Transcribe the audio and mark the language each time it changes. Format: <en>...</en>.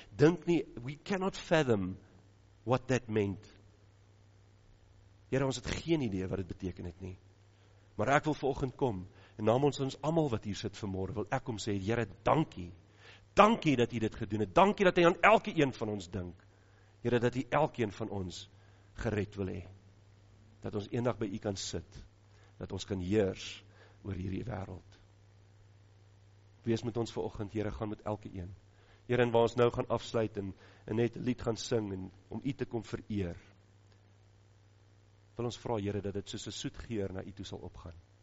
<af>Dink nie,</af> <en>we cannot fathom what that meant.</en> <af>Here, ons het geen idee wat dit beteken het nie. Maar ek wil vanoggend kom, en naam ons almal wat hier sit vanmôre, wil ek kom sê, Here, dankie. Dankie dat u dit gedoen het. Dankie dat u aan elke een van ons dink. Here, dat u elkeen van ons gered wil hê. Dat ons eendag by u kan sit. Dat ons kan heers oor hierdie wêreld. Wees met ons vanoggend, Here, gaan met elke een. Here, waar ons nou gaan afsluit en net een lied gaan sing en om U te kom vereer. Wil ons vra, Here, dat dit soos 'n soet geur na U toe sal opgaan.</af>